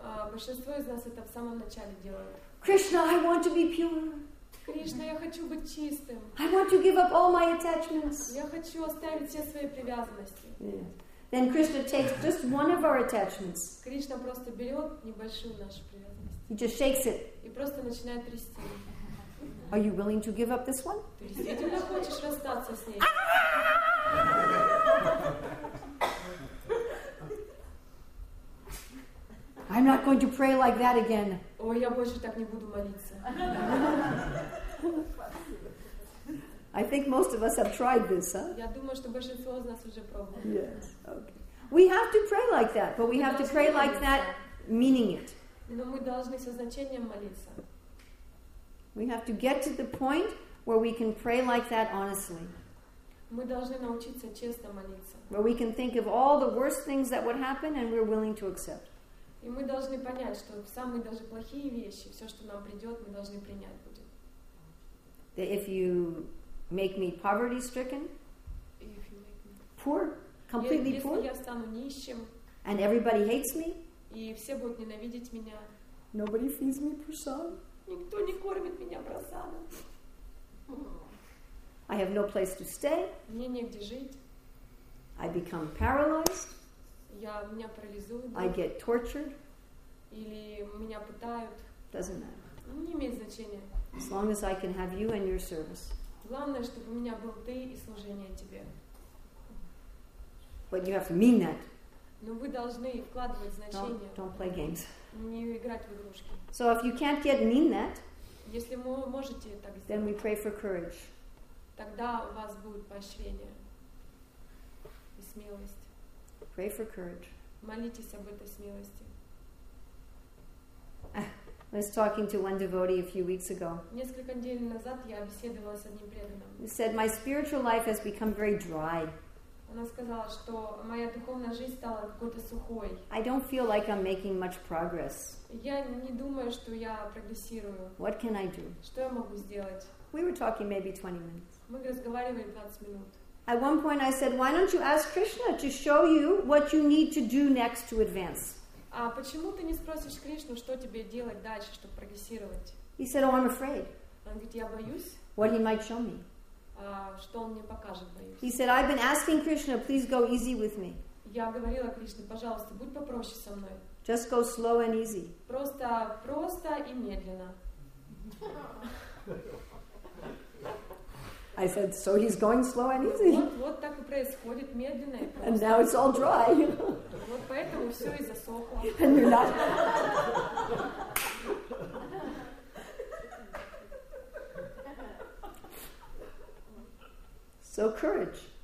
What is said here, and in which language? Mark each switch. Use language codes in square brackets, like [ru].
[ru] Большинство из нас это в самом начале делают. [en] Krishna, I want to be pure. [ru] Кришна, я хочу быть чистым. [en] I want to give up all my attachments. [ru] Я хочу оставить все свои привязанности. [en] Then Krishna takes just one of our attachments. [ru] Кришна просто берет небольшую нашу привязанность. [en] He just shakes it. [ru] И просто начинает трясти. [en] Are you willing to give up this one? [ru] Действительно хочешь расстаться с ней? [en] I'm not going to pray like that again. [ru] Ой, я больше так не буду молиться. [en] I think most of us have tried this, huh? [ru] Я думаю, что большинство из нас уже пробовали. [en] Yes. Okay. We have to pray like that, but we have to pray like that, meaning it. [ru] Но мы должны со значением молиться. [en] We have to get to the point where we can pray like that honestly. [ru] Мы должны научиться честно молиться. [en] Where we can think of all the worst things that would happen and we're willing to accept. [ru] И мы должны понять, что самые даже плохие вещи, все, что нам придет, мы должны принять будем. [en] That if you make me poverty stricken, if you make me poor, completely [ru] если [en] poor, [ru] я стану нищим, [en] and everybody hates me, [ru] и все будут ненавидеть меня, [en] nobody feeds me prasad. [ru] Никто не кормит меня просадом. [en] I have no place to stay. [ru] Мне негде жить. [en] I become paralyzed. [ru] Меня парализует. [en] I get tortured. [ru] Или меня пытают. [en] Doesn't matter. [ru] Не имеет значения. [en] As long as I can have you and your service. [ru] Главное, чтобы у меня был ты и служение тебе. [en] But you have to mean that. [ru] Но вы должны вкладывать значение. [en] Don't play games. [ru] Не играть в игрушки. [en] So if you can't yet mean that, [ru] если вы можете так сделать, [en] then we pray for courage. [ru] тогда у вас будет поощрение и смелость. [en] Pray for courage. [ru] Молитесь об этой смелости. [en] I was talking to one devotee a few weeks ago. [ru] Несколько недель назад я беседовала с одним преданным. [en] He said, "My spiritual life has become very dry." [ru] Она сказала, что моя духовная жизнь стала какой-то сухой. [en] I don't feel like I'm making much progress. [ru] Я не думаю, что я прогрессирую. [en] What can I do? [ru] Что я могу сделать? [en] We were talking maybe 20 minutes. [ru] Мы разговаривали 20 минут. [en] At one point I said, "Why don't you ask Krishna to show you what you need to do next to advance?" [ru] А почему ты не спросишь Кришну, что тебе делать дальше, чтобы прогрессировать? [en] He said, "Oh, I'm afraid." [ru] Он говорит, я боюсь. [en] What he might show me. [ru] Что он мне покажет, боюсь. [en] He said, "I've been asking Krishna, please go easy with me." [ru] Я говорила Кришне, пожалуйста, будь попроще со мной. [en] Just go slow and easy. [ru] Просто, просто и медленно. [en] I said, "So he's going slow and easy." [ru] Вот так и происходит, медленно и просто. [en] And now it's all dry. [ru] Вот поэтому все и засохло. [en] And you're not. So courage.